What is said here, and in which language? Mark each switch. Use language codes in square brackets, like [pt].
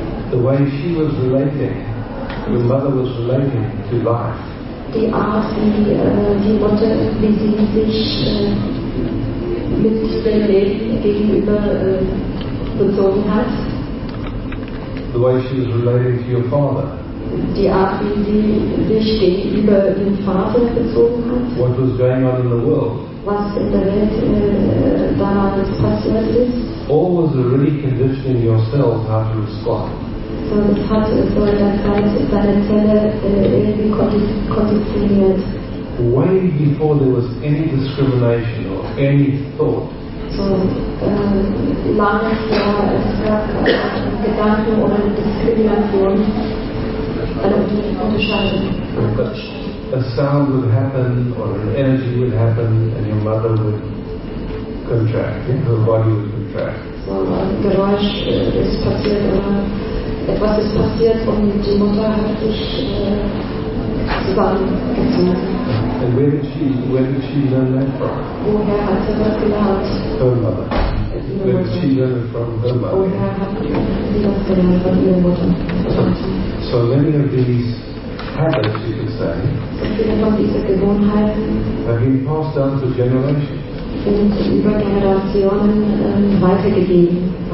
[en] the way she was relating, your mother was relating to life. [de] Die Art, wie sie sich mit dem Leben gegenüber bezogen hat. [en] The way she was relating to your father. [de] Die Art, wie sie sich gegenüber dem Vater bezogen hat. [en] What was going on in the world? [de] Was in der Welt damals passiert ist. [en] All was a really conditioning yourself how to respond. [de] So das hat so in der Zeit deine Zelle irgendwie konditioniert. [en] Way before there was any discrimination or any thought. [de] So lange vor es gab Gedanken oder Diskrimination oder die Unterscheidung. [en] A sound would happen, or an energy would happen, and your mother would contract. Her body would contract. [de] So, Geräusch ist passiert, oder etwas ist passiert, und die Mutter hat sich zusammengezogen. [en] And where did she learn that from? [de] Woher hat sie das gelernt? [en] Her mother. Where did she learn it from? Her mother. [de] Woher hat sie das gelernt von ihrer Mutter? [en] So many of these habits, you can say, have been passed down to generations. [de] sind über Generationen weitergegangen.